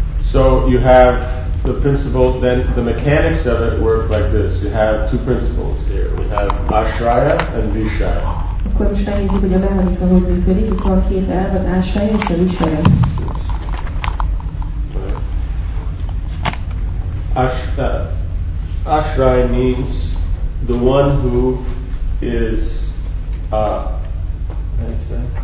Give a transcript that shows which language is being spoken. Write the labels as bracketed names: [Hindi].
[English] So you have the principle, then the mechanics of it work like this. You have two principles here. We have ashraya and vishraya. [Hungarian] Akkor most megnézzük, hogy a mechanika hogy működik. Itt van két elv, az ashraya és a vishraya. [English] Ashraya means the one who is, how do you say?